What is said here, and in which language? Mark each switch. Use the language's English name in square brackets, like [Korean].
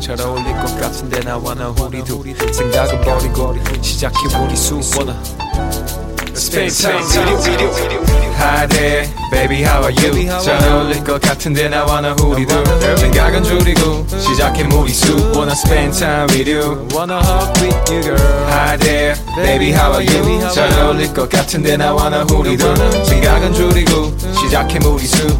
[Korean] 잘 어울릴 것 같은데 나와 나 우리 둘 생각은 버리고 시작해 무리수. [English] Wanna spend time with you. Hi there baby how are you. [Korean] 잘 어울릴 것 같은데 나와 나 우리 둘 생각은 줄이고 시작해 무리수. [English] Wanna spend time with you. Wanna hug with you girl. Hi there baby how are you. [Korean] 잘 어울릴 것 같은데 나와 나 우리 둘 생각은 줄이고 시작해 무리수.